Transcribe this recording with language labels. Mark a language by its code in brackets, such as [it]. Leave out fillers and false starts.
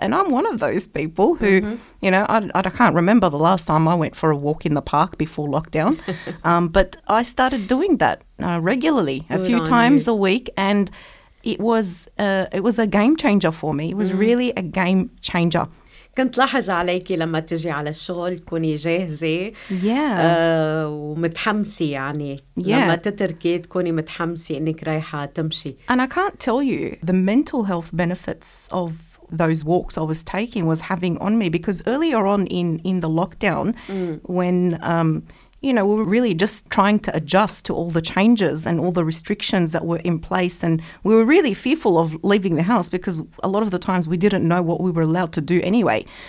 [en] And I'm one of those people who, you know, I can't remember the last time I went for a walk in the park before lockdown. but I started doing that regularly, a few times a week, and it was a game changer for me. It was really a game changer. [ar] كنت لاحظ عليكي لما تجي على الشغل تكوني جاهزة ومتحمسة يعني لما تتركي تكوني متحمسة إنك رايحة تمشي. [en] And I can't tell you the mental health benefits of those walks I was taking was having on me, because earlier on in the lockdown when you know, we were really just trying to adjust to all the changes and all the restrictions that were in place. And we were really fearful of leaving the house, because a lot of the times we didn't know what we were allowed to do anyway.